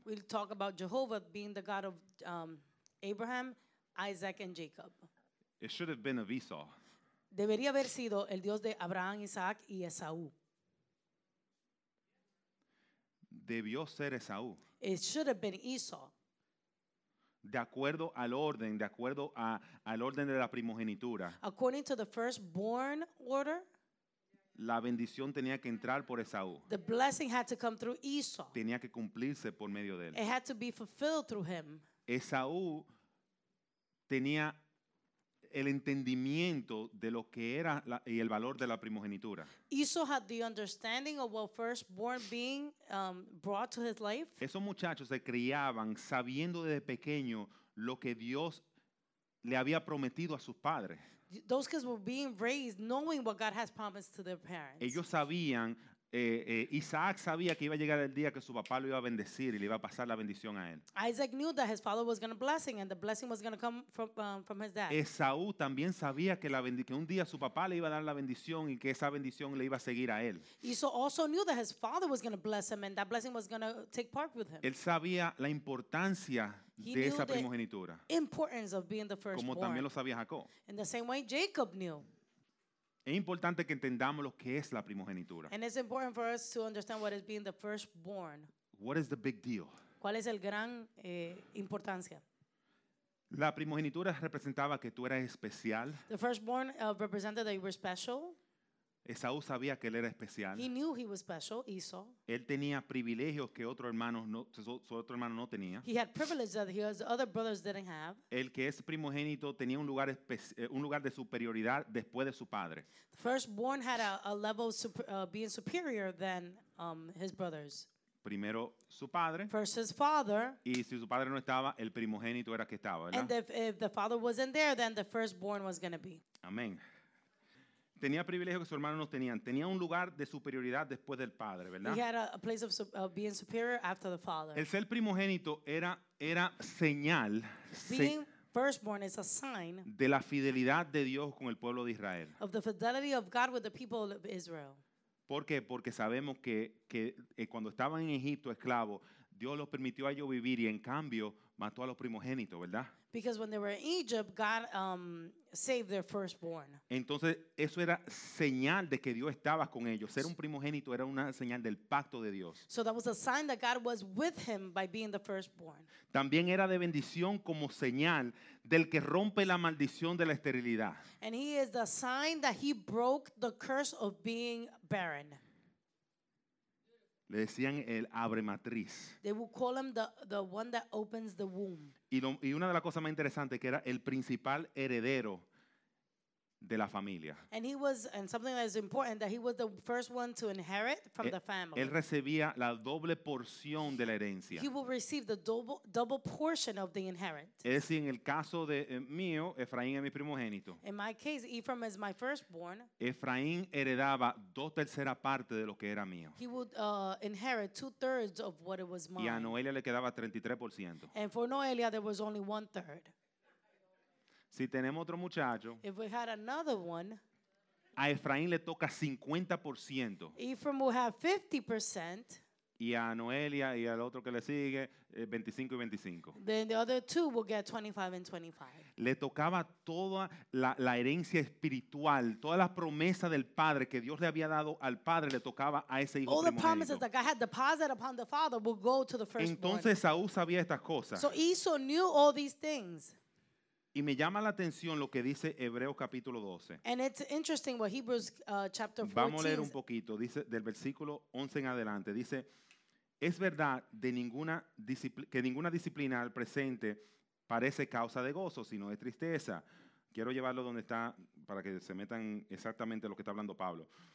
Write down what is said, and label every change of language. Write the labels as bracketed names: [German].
[English] We'll talk about Jehovah being the God of Abraham, Isaac, and Jacob. It should have been of Esau. [Spanish] Debería haber sido el Dios de Abraham, Isaac y Esaú. Debió ser Esaú. [English] It should have been Esau. [Spanish] De acuerdo al orden, de acuerdo al orden de la primogenitura. [English] According to the firstborn order. [Spanish] La bendición tenía que entrar por Esaú. [English] The blessing had to come through Esau. [Spanish] Tenía que cumplirse por medio de él. [English] It had to be fulfilled through him. [Spanish] Esaú tenía el entendimiento de lo que era la, y el valor de la primogenitura. [English] Esau had the understanding of what firstborn being brought to his life. [Spanish] Esos muchachos se criaban sabiendo desde pequeño lo que Dios le había prometido a sus padres. [English] Those kids were being raised knowing what God has promised to their parents. [Spanish] Ellos sabían, Isaac sabía que iba a llegar el día que su papá lo iba a bendecir y le iba a pasar la bendición a él. [English] Isaac knew that his father was going to bless him and the blessing was going to come from his dad. [Spanish] Esaú también sabía que, que un día su papá le iba a dar la bendición y que esa bendición le iba a seguir a él. [English] Esau also knew that his father was going to bless him and that blessing was going to take part with him. [Spanish] Él sabía la importancia [English] He [Spanish] de esa primogenitura. [English] The importance of being the firstborn. [Spanish] Como también lo sabía Jacob. [English] In the same way Jacob knew. [Spanish] Es importante que entendamos lo que es la primogenitura. [English] And it's important for us to understand what is being the firstborn. What is the big deal? [Spanish] ¿Cuál es el gran importancia? La primogenitura representaba que tú eras especial. [English] The firstborn represented that you were special. [Spanish] Esaú sabía que él era especial. [English] He knew he was special, Esau. [Spanish] Él tenía privilegios que otro hermano no, su otro hermano no tenía. [English] He had privileges that his other brothers didn't have. [Spanish] El que es primogénito tenía un lugar de superioridad después de su padre. [English] The firstborn had a level of being superior than his brothers. [Spanish] Primero su padre. [English] First his father. [Spanish] Y si su padre no estaba, el primogénito era que estaba, ¿verdad? [English] And if the father wasn't there, then the firstborn was going to be. [Spanish] Amén. Tenía privilegios que sus hermanos no tenían. Tenía un lugar de superioridad después del padre, ¿verdad? [English] He had a place of being superior after the father. [Spanish] El ser primogénito era señal. [English] Being firstborn is a sign. [Spanish] De la fidelidad de Dios con el pueblo de Israel. [English] Of the fidelity of God with the people of Israel. [Spanish] ¿Por qué? Porque sabemos que cuando estaban en Egipto esclavos, Dios los permitió a ellos vivir y en cambio mató a los primogénitos, ¿verdad? [English] Because when they were in Egypt, God saved their firstborn. [Spanish] Entonces, eso era señal de que Dios estaba con ellos. Ser un primogénito era una señal del pacto de Dios. [English] So that was a sign that God was with him by being the firstborn. [Spanish] También era de bendición como señal del que rompe la maldición de la esterilidad. [English] And he is the sign that he broke the curse of being barren. [Spanish] Le decían el abre matriz. [English] They would call him the one that opens the womb. [Spanish] Y una de las cosas más interesantes que era el principal heredero de la familia. [English] And he was, and something that is important, that he was the first one to inherit from the family. [Spanish] Él recibía la doble porción de la herencia. [English] He will receive the double portion of the inheritance. [Spanish] Es decir, en el caso de mío, Efraín es mi primogénito. [English] In my case, Ephraim is my firstborn. [Spanish] Efraín heredaba dos terceras partes de lo que era mío. [English] He would inherit two-thirds of what it was mine. [Spanish] Y a Noelia le quedaba 33%. [English] And for Noelia, there was only one-third. [Spanish] Si tenemos otro muchacho, [English] if we had another one, [Spanish] a Efraín le toca 50%. [English] Ephraim will have 50%. [Spanish] Y a Noelia y al otro que le sigue, 25 y 25. [English] Then the other two will get 25 and 25. [Spanish] Le tocaba toda la herencia espiritual, toda la promesa del Padre que Dios le había dado al Padre, le tocaba a ese hijo [English] primogénito. All the promises that God had deposited upon the father will go to the firstborn. [Spanish] Entonces Saúl sabía estas cosas. [English] So Esau knew all these things. [Spanish] Y me llama la atención lo que dice Hebreos capítulo 12. [English] And it's interesting what Hebrews chapter 14. [Spanish] Vamos a leer un poquito, dice del versículo 11 en adelante. Dice, es verdad de ninguna que ninguna disciplina al presente parece causa de gozo, sino de tristeza. Quiero llevarlo donde está para que se metan exactamente lo que está hablando Pablo.